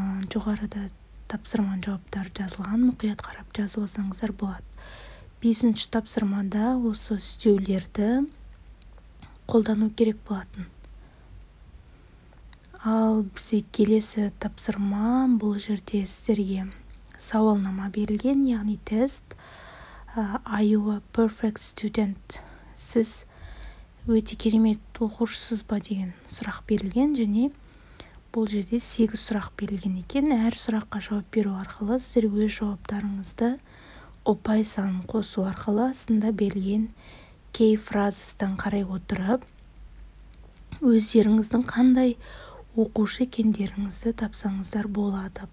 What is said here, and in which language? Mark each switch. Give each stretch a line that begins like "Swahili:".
Kazakh: Жоғарыда тапсырман жауаптары жазылған, мұқият қарап жазып алсаңыздар болады. 5-ші тапсырмада осы үстеулерді қолдану керек болатын. Ал бізде келесі тапсырма, бұл жерде сіздерге сауалнама берілген, яғни тест.
English: Are you a perfect student?
Kazakh: Сіз өте керемет оқушысыз ба деген сұрақ берілген, және бұл жерде 8 сұрақ берілген екен. Әр сұраққа жауап беру арқылы сіздер өз жауаптарыңызды ұпай санын қосу арқылы астында берілген кей фразыстан қарай отырып, өздеріңіздің қандай оқушы екендеріңізді тапсаңыздар болады.